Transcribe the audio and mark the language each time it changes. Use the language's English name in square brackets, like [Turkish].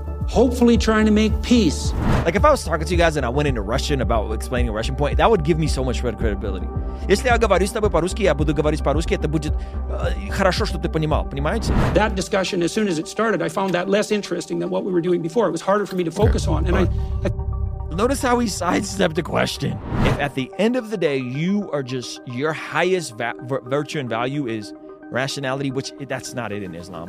[English] Hopefully trying to make peace. Like, if I was talking to you guys and I went into Russian about explaining a Russian point, that would give me so much credibility. [Russian] Если я говорю с тобой по-русски, я буду говорить по-русски, это будет хорошо, чтобы ты понимал, понимаете? [English] That discussion, as soon as it started, I found that less interesting than what we were doing before. It was harder for me to focus on. And notice how he sidestepped the question. If at the end of the day, you are just, your highest virtue and value is rationality, which that's not it in Islam.